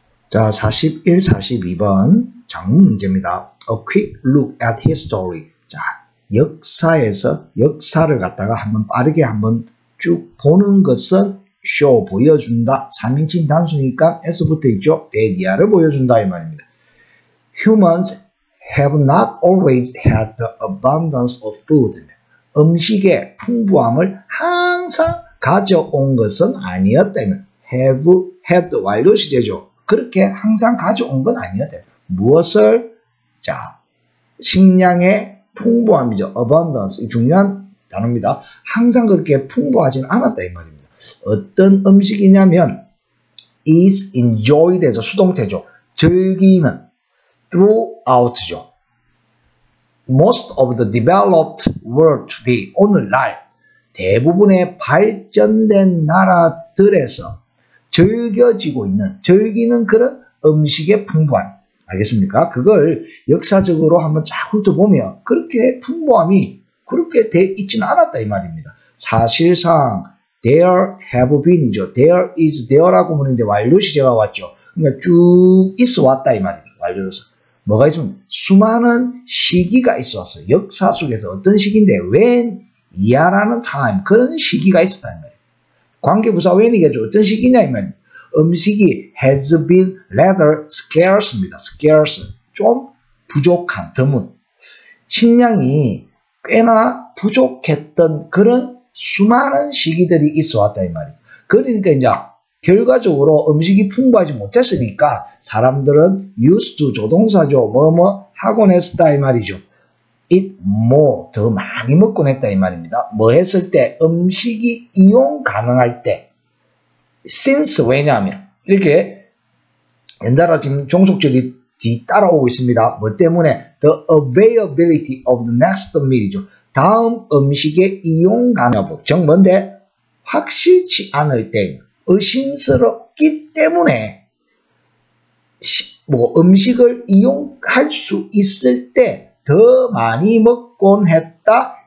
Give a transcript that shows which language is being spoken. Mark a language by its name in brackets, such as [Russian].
[Korean] 자, 41, 42번 장문 문제입니다. [English] A quick look at history. [Korean] 자, 역사에서 역사를 갖다가 한번 빠르게 한번 쭉 보는 것은 쇼, 보여준다. 3인칭 단수니까 S부터 있죠. 에디아를 보여준다. 이 말입니다. [English] Humans have not always had the abundance of food. [Korean] 음식의 풍부함을 항상 가져온 것은 아니었다. [English] Have had [Korean] 완료 시제죠. 그렇게 항상 가져온 건 아니었다. 무엇을? 자, 식량의 풍부함이죠. Abundance. 중요한 단어입니다. 항상 그렇게 풍부하지는 않았다. 이 말입니다. 어떤 음식이냐면 [English] is enjoyed [Korean] 해서 수동태죠. 즐기는 throughout죠. [English] Most of the developed world today, [Korean] 오늘날 대부분의 발전된 나라들에서 즐겨지고 있는, 즐기는 그런 음식의 풍부함. 알겠습니까? 그걸 역사적으로 한번 쫙 훑어보면 그렇게 풍부함이 그렇게 돼 있지는 않았다 이 말입니다. [English] 사실상 There have been이죠. There is there [Korean] 라고 보는데 완료시제가 왔죠. 그러니까 쭉 있어 왔다 이 말입니다. 완료로서. 뭐가 있으면 수많은 시기가 있어 왔어요. 역사 속에서 어떤 시기인데 when, 이하라는 time, 그런 시기가 있었다는 말입니다. 관계부사 when이겠죠. 어떤 시기냐 이 말입니다. [English] 음식이 has been rather scarce입니다. [Korean] scarce, 좀 부족한, 드문. 식량이 꽤나 부족했던 그런 수많은 시기들이 있어 왔다 이 말이에요. 그러니까 이제 결과적으로 음식이 풍부하지 못했으니까 사람들은 [English] used to [Korean] 조동사죠. 뭐뭐 하곤 했었다 이 말이죠. [English] eat more, [Korean] 더 많이 먹곤 했다 이 말입니다. 뭐 했을 때? 음식이 이용 가능할 때. since, 왜냐하면 이렇게 연달아 지금 종속절이 뒤따라오고 있습니다. 뭐 때문에? [English] the availability of the next meal이죠. [Korean] 다음 음식의 이용 가능성, 즉 뭔데? 확실치 않을 때, 의심스럽기 때문에 뭐 음식을 이용할 수 있을 때 더 많이 먹곤 했다.